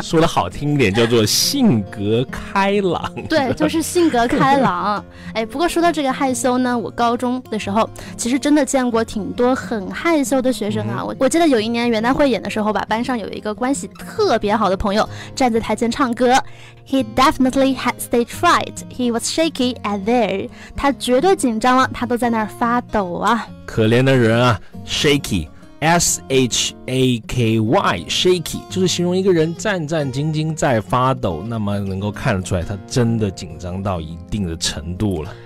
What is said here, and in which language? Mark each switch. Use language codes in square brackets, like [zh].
[zh] 说的好听点，叫做性格开朗。对，就是性格开朗。哎，不过说到这个害羞呢，我高中的时候其实真的见过挺多很害羞的学生啊。嗯、我记得有一年元旦汇演的时候吧，班上有一个关系特别好的朋友站在台前唱歌。 [en] He definitely had stage fright. He was shaky at there. [zh] 他绝对紧张了，他都在那儿发抖啊。可怜的人啊， shaky， S-H-A-K-Y， shaky 就是形容一个人战战兢兢在发抖，那么能够看得出来他真的紧张到一定的程度了。